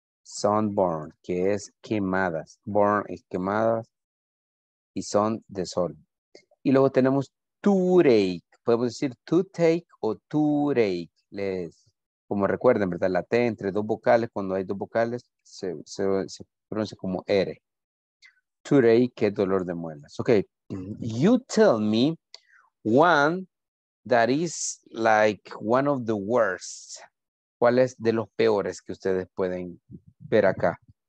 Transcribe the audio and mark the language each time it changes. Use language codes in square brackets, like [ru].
[es] Sunburn, que es quemadas. Burn es quemadas y son de sol. Y luego tenemos toothache. Podemos decir toothache o toothache. Les, como recuerden, ¿verdad? La T entre dos vocales, cuando hay dos vocales, se pronuncia como R. Toothache, que es dolor de muelas. Ok. [en] You tell me one that is like one of the worst. [es] ¿Cuál es de los peores que ustedes pueden ver acá?